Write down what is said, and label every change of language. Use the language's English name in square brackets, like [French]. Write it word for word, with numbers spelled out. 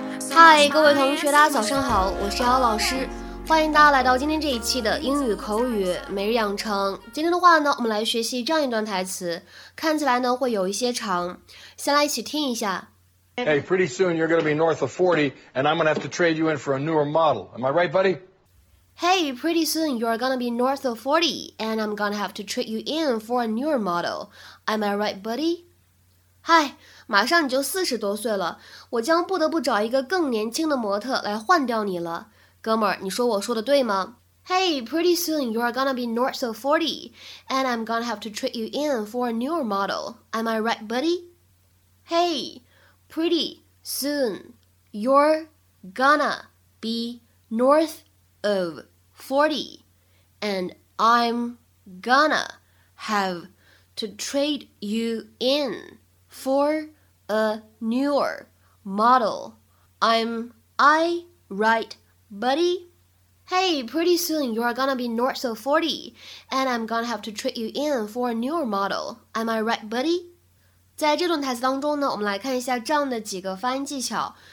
[Chinese] 嗨，各位同学，大家早上好，我是姚老师，欢迎大家来到今天这一期的英语口语每日养成。今天的话呢，我们来学习这样一段台词，看起来呢会有一些长，先来一起听一下。 [English] Hey, pretty soon you're going to be north of forty, and I'm going to have to trade you in for a newer model. Am I right, buddy? Hey, pretty soon you're going to be north of forty, and I'm going to have to trade you in for a newer model. Am I right, buddy? [Chinese] 嗨，马上你就四十多岁了，我将不得不找一个更年轻的模特来换掉你了。哥们儿，你说我说的对吗？ [English] Hey, pretty soon you're going to be north of forty, and I'm going to have to trade you in for a newer model. Am I right, buddy? Hey... Pretty soon, you're gonna be north of forty, and I'm gonna have to trade you in for a newer model. I'm I right, buddy? Hey, pretty soon you're gonna be north of forty, and I'm gonna have to trade you in for a newer model. Am I right, buddy? [Chinese] 在这段台词当中呢，我们来看一下这样的几个发音技巧。